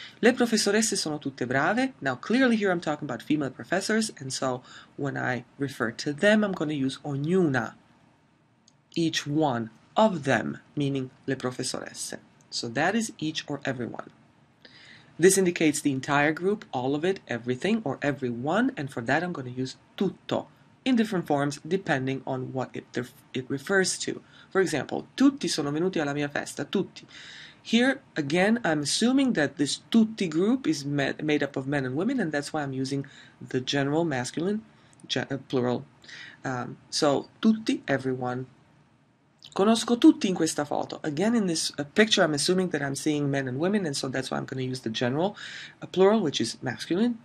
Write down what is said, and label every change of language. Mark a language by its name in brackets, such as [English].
[Italian] Le professoresse sono tutte brave. [English] Now, clearly here I'm talking about female professors, and so when I refer to them, I'm going to use ognuna, each one of them, meaning le professoresse. So that is each or everyone. This indicates the entire group, all of it, everything, or everyone, and for that I'm going to use tutto, in different forms, depending on what it refers to. For example, [Italian] tutti sono venuti alla mia festa, tutti. [English] Here, again, I'm assuming that this tutti group is made up of men and women, and that's why I'm using the general masculine plural. [Italian] So, tutti, everyone. Conosco tutti in questa foto. [English] Again, in this picture, I'm assuming that I'm seeing men and women, and so that's why I'm going to use the general plural, which is masculine.